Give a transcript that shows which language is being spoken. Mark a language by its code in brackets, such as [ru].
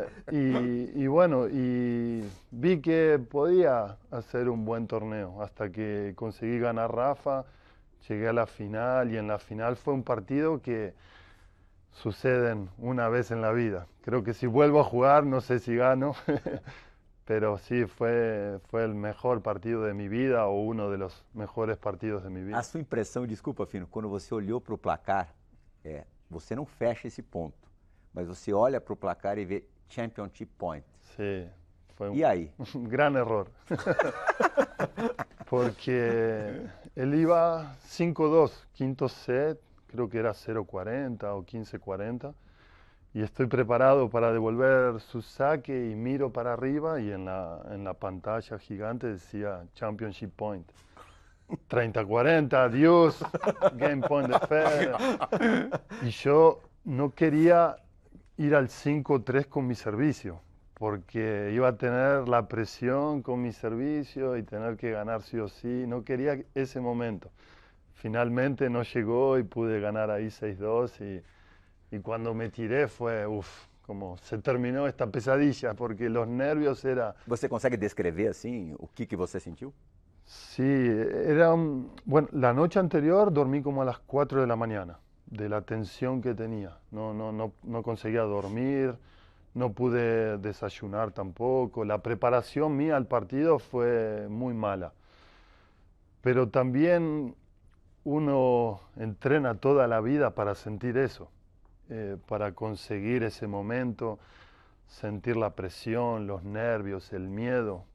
[es] Y vi que podía hacer un buen torneo hasta que conseguí ganar Rafa, llegué a la final y en la final fue un partido que suceden una vez en la vida. Creo que si vuelvo a jugar, no sé si gano, pero sí, fue el mejor partido de mi vida o uno de los mejores partidos de mi vida. A su impresión, disculpa, [pt] Fino, [es] cuando [pt] você olhou para o placar, você não fecha esse ponto. Mas você olha para o placar e vê Championship Point. Sim. Foi um grande erro. Porque ele ia 5-2, quinto set, [es] creo que era [pt] 0-40 ou 15-40. E estou preparado para devolver [es] su saque e miro para arriba e en la pantalla gigante decía Championship Point. 30-40, adiós, Game Point de Federer. [pt] E eu não queria ir [es] al 5-3 con mi servicio, porque iba a tener la presión con mi servicio y tener que ganar sí o sí. No quería ese momento. Finalmente no llegó y pude ganar ahí 6-2 y cuando me tiré fue, como se terminó esta pesadilla, porque los nervios era... [pt] ¿Você consegue descrever [es] así [pt] o que você [es] sintió? Sí, era... Bueno, la noche anterior dormí como a las 4 de la mañana. De la tensión que tenía, no conseguía dormir, no pude desayunar tampoco, la preparación mía al partido fue muy mala, pero también uno entrena toda la vida para sentir eso, para conseguir ese momento, sentir la presión, los nervios, el miedo.